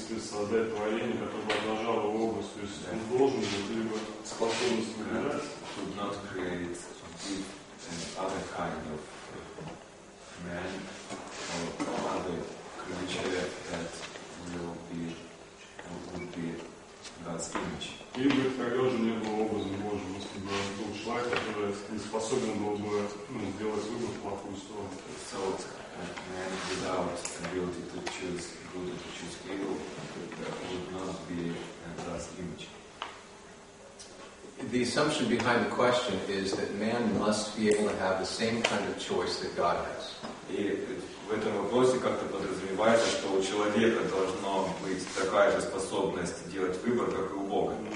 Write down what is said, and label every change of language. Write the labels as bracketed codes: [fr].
[ru] Создать творение, которое отражало образ. То есть он должен быть либо [en] not create other kind of man or other creature that would be God's image. [ru] И бы тогда уже не было образа Божьего, если бы был человек, который не способен был бы сделать выбор в плохую сторону. [en] So, man without ability to choose good or to choose evil would not be God's image. The assumption behind the question is that man must be able to have the same kind of choice that God has. [ru] И в этом вопросе как-то подразумевается, что у человека должна быть такая же способность делать выбор, как и у Бога.